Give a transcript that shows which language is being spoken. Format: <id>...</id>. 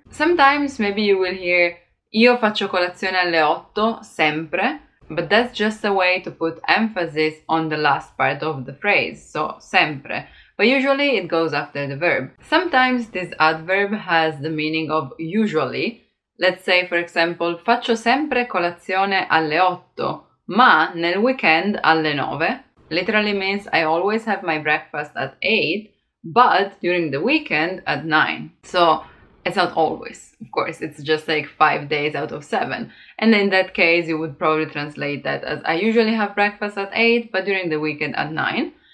<en>Sometimes maybe you will hear</en> <it>io faccio colazione alle 8 sempre,</it> <en>but that's just a way to put emphasis on the last part of the phrase, so sempre. But usually it goes after the verb. Sometimes this adverb has the meaning of usually. Let's say, for example,</en> <it>faccio sempre colazione alle 8, ma nel weekend alle 9.</it> <en>Literally means I always have my breakfast at 8, but during the weekend at 9. So it's not always, of course, it's just like 5 days out of 7. And in that case, you would probably translate that as I usually have breakfast at 8, but during the weekend at 9.</en>